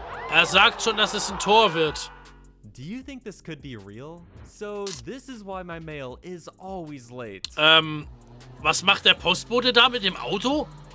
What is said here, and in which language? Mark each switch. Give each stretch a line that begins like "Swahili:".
German: Er sagt schon, dass es ein Tor wird.
English: Do you think this could be real? So this is why my mail is always late.
German: Was macht der Postbote da mit dem Auto?